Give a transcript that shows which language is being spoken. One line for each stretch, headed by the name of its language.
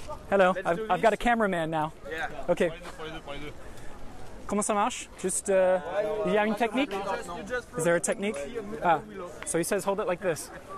English: Hello, I've got a cameraman now. Yeah. Okay.
French: Pour les deux. Comment ça marche? Just, il y a une technique?
English: Is there a technique? Ah, so he says hold it like this.